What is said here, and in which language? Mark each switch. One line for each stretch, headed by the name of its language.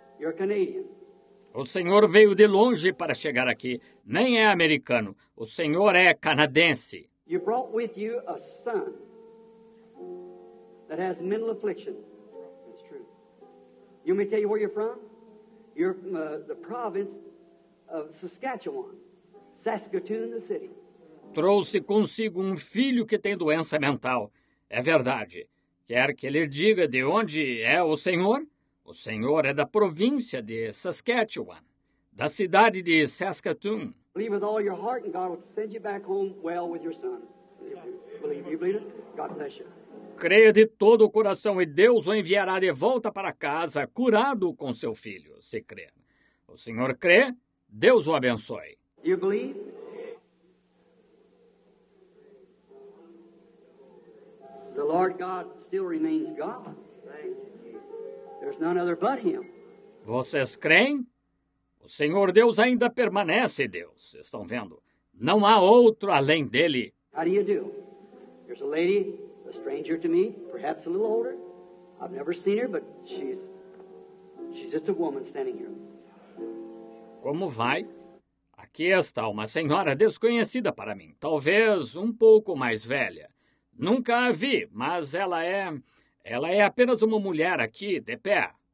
English: You're a Canadian.
Portuguese: O senhor veio de longe para chegar aqui. Nem é americano. O senhor é canadense.
English: You brought with you a son that has mental affliction. That's true. You may tell you where you're from? You're from the province of Saskatchewan. Saskatoon, the city.
Portuguese: Trouxe consigo um filho que tem doença mental. É verdade. Quer que ele diga de onde é o senhor? O senhor é da província de Saskatchewan, da cidade de Saskatoon.
English: Believe with all your heart and God will send you back home well with your son. Believe, you believe it? God bless you.
Portuguese: Creia de todo o coração e Deus o enviará de volta para casa, curado com seu filho, se crer. O senhor crê? Deus o abençoe.
English: You believe? The Lord God still remains God. There's none other but him.
Portuguese: Vocês creem? O Senhor Deus ainda permanece Deus. Estão vendo? Não há outro além dele.
English: How do you do? There's a lady, a stranger to me, perhaps a little older. I've never seen her, but she's just a woman standing here.
Portuguese: Como vai? Aqui está uma senhora desconhecida para mim. Talvez um pouco mais velha. Nunca a vi, mas ela é... Ela é apenas uma mulher aqui, de pé.